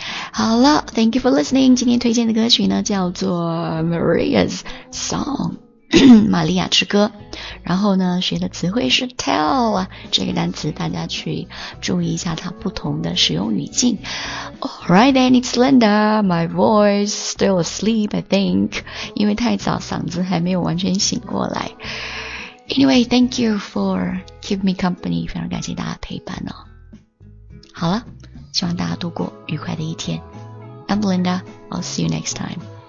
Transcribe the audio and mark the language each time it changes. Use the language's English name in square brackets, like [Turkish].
[Chinese] 好了 ， [English] Thank you for listening。 [Chinese] 今天推荐的歌曲呢叫做 Maria's Song， 玛利亚之歌。然后呢，学的词汇是 tell 这个单词，大家去注意一下它不同的使用语境。 [English] Alright then, it's Linda. My voice still asleep, I think， [Chinese] 因为太早，嗓子还没有完全醒过来。 [English] Anyway, thank you for keep me company， [Chinese] 非常感谢大家陪伴哦。好了，希望大家度过愉快的一天。 [English] I'm Linda, I'll see you next time.